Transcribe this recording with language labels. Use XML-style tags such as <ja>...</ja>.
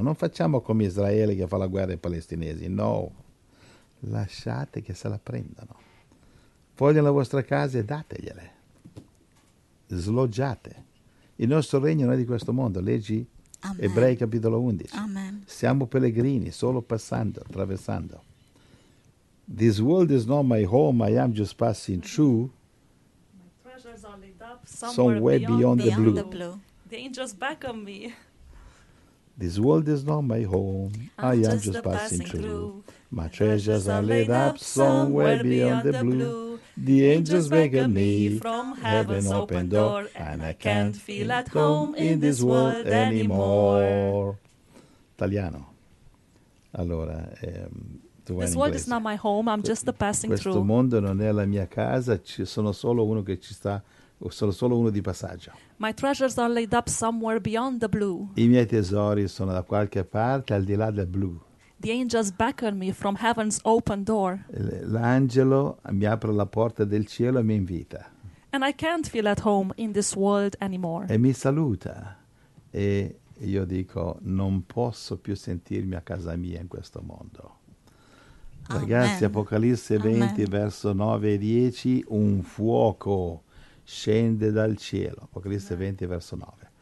<it>Non facciamo come Israele che fa la guerra ai palestinesi. No, lasciate che se la prendano. Vogliono la vostra casa e dategliele. Sloggiate. Il nostro regno non è di questo mondo, leggi Amen. Ebrei capitolo 11. Amen. Siamo pellegrini, solo passando, attraversando.</it> <en>This world is not my home, I am just passing through. My treasures are laid up somewhere beyond the blue. The angels beckon me. This world is not my home, I am just passing through. My treasures are laid up somewhere beyond the blue. The angels beckon me from heaven's open door, and I can't feel at home in this world anymore.</en> <it>Italiano. Allora, tu vai</it> <en>This world is not my home, I'm just passing</en> <it>questo</it> <en>through.</en> <it>Questo mondo non è la mia casa, ci sono solo uno che ci sta, sono solo uno di passaggio.</it> <en>My treasures are laid up somewhere beyond the blue.</en> <it>I miei tesori sono da qualche parte al di là del blu.</it> <en>The angels beckon me from heaven's open door.</en> <it>L'angelo mi apre la porta del cielo e mi invita.</it> <en>And I can't feel at home in this world anymore.</en> <it>E mi saluta. E io dico, non posso più sentirmi a casa mia in questo mondo. Amen. Ragazzi, Apocalisse 20, Amen. Verso 9 e 10, un fuoco scende dal cielo. Apocalisse Amen. 20, verso 9.</it>